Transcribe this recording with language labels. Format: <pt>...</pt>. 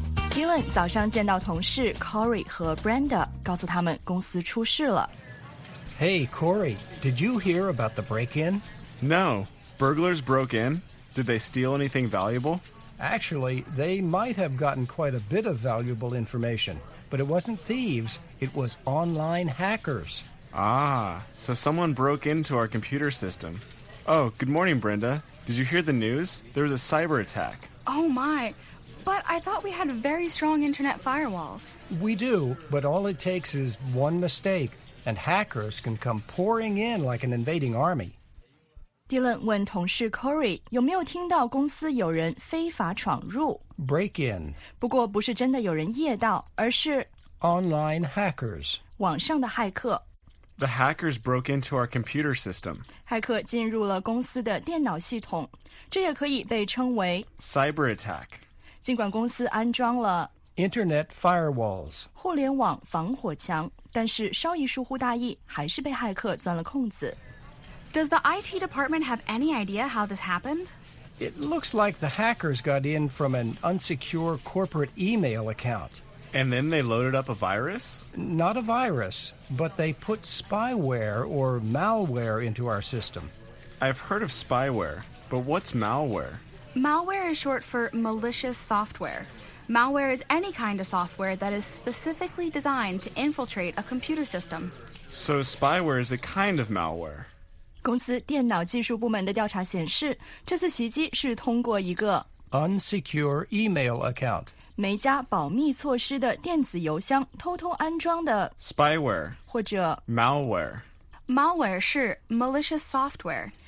<zh>Dylan 早上见到同事 Corey 和 Brenda， 告诉他们公司出事了。</zh> <en>Hey, Corey, did you hear about the break-in? No, burglars broke in. Did they steal anything valuable? Actually, they might have gotten quite a bit of valuable information, but it wasn't thieves, it was online hackers. Ah, so someone broke into our computer system. Oh, good morning, Brenda. Did you hear the news? There was a cyber attack. Oh my, but I thought we had very strong internet firewalls. We do, but all it takes is one mistake, and hackers can come pouring in like an invading army.</en> <zh>Dylan 问同事 Corey 有没有听到公司有人非法闯入</zh> <en>Break in</en> <zh>不过不是真的有人夜盗而是</zh> <en>Online hackers</en> <zh>网上的骇客</zh> <en>The hackers broke into our computer system.</en> <zh>骇客进入了公司的电脑系统，这也可以被称为</zh> <en>cyber attack.</en> <zh>尽管公司安装了</zh> <en>internet firewalls</en> <zh>互联网防火墙，但是稍一疏忽大意，还是被骇客钻了空子。</zh> <en>Does the IT department have any idea how this happened? It looks like the hackers got in from an unsecure corporate email account. And then they loaded up a virus? Not a virus, but they put spyware or malware into our system. I've heard of spyware, but what's malware? Malware is short for malicious software. Malware is any kind of software that is specifically designed to infiltrate a computer system. So spyware is a kind of malware.</en> <zh>公司电脑技术部门的调查显示，这次袭击是通过一个</zh> <en>unsecure email account</en> <zh>没加保密措施的电子邮箱偷偷安装的</zh> <en>spyware</en> <zh>或者</zh> <en>malware。 Malware 是 malicious software</en>